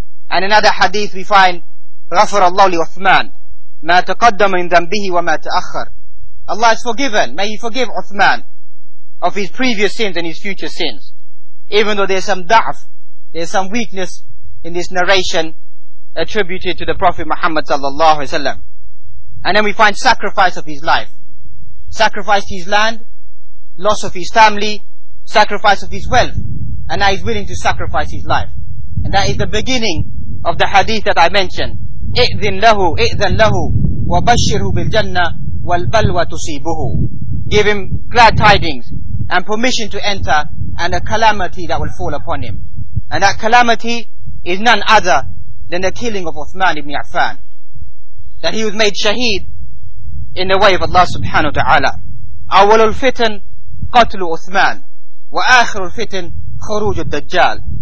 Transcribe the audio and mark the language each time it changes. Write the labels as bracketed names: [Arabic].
[English] And in another hadith we find, [Arabic] غَفَرَ اللَّهُ لِعُثْمَانِ مَا تَقَدَّمَ مِنْ ذَنْبِهِ وَمَا تَأَخَّرَ. [English] Allah is forgiven. May He forgive Uthman of his previous sins and his future sins. Even though there's some da'af, there's some weakness in this narration attributed to the Prophet Muhammad sallallahu alaihi wasallam. And then we find sacrifice of his life. Sacrificed his land, loss of his family, sacrifice of his wealth. And now he's willing to sacrifice his life. And that is the beginning of the hadith that I mentioned. [Arabic] إِذِنْ لَهُ إِذَنْ لَهُ وَبَشِّرْهُ بِالْجَنَّةِ وَالْبَلْوَ تُصِيبُهُ. [English] Give him glad tidings and permission to enter, and a calamity that will fall upon him. And that calamity is none other than the killing of Uthman ibn Affan. That he was made shaheed in the way of Allah subhanahu wa ta'ala. [Arabic] أول الفتن قتل أثمان وآخر الفتن خروج الدجال.